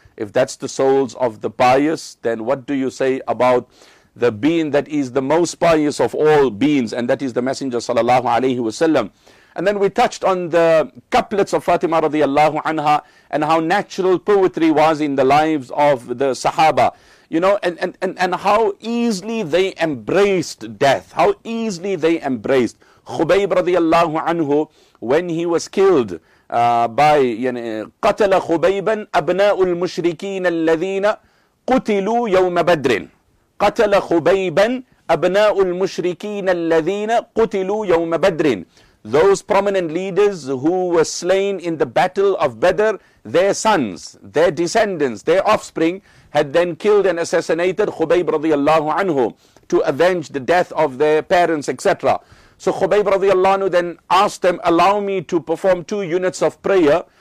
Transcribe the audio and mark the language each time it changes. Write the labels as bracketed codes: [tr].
[en] If that's the souls of the pious, then what do you say about the being that is the most pious of all beings, and that is the Messenger sallallahu alayhi wasallam. And then we touched on the couplets of Fatima radiallahu anha, and how natural poetry was in the lives of the Sahaba. You know, and how easily they embraced death. How easily they embraced. Khubayb radiallahu anhu, when he was killed by, you know, [ar] قَتَلَ خُبَيْبًا أَبْنَاءُ الْمُشْرِكِينَ الَّذِينَ قُتِلُوا يَوْمَ بَدْرٍ قَتَلَ خُبَيْبًا أَبْنَاءُ الْمُشْرِكِينَ الَّذِينَ قُتِلُوا يَوْمَ بَدْرٍ. [en] Those prominent leaders who were slain in the battle of Badr, their sons, their descendants, their offspring, had then killed and assassinated Khubayb radiallahu anhu to avenge the death of their parents, etc. So Khubayb radiallahu anhu then asked them, allow me to perform two units of prayer.